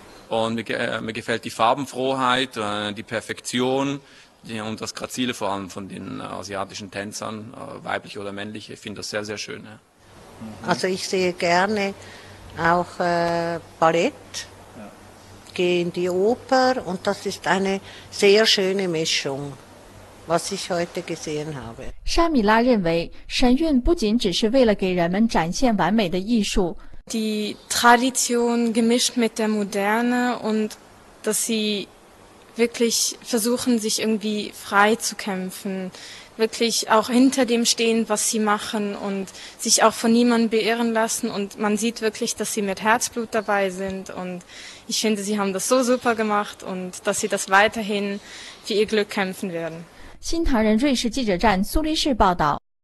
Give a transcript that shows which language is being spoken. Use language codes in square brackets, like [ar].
[de] Und mir gefällt die Farbenfrohheit, die Perfektion und das Grazile vor allem von den asiatischen Tänzern, weiblich oder männlich, ich finde das sehr, sehr schön. Ja. Also ich sehe gerne auch Ballett, gehe in die Oper und das ist eine sehr schöne Mischung, was ich heute gesehen habe. [zh] 沙米拉认为，神韵不仅只是为了给人们展现完美的艺术。 [de] Die Tradition gemischt mit der Moderne und dass sie wirklich versuchen, sich irgendwie frei zu kämpfen, wirklich auch hinter dem stehen, was sie machen und sich auch von niemandem beirren lassen. Und man sieht wirklich, dass sie mit Herzblut dabei sind. Und ich finde, sie haben das so super gemacht und dass sie das weiterhin für ihr Glück kämpfen werden. [zh] 新唐人瑞士记者站苏黎世报道。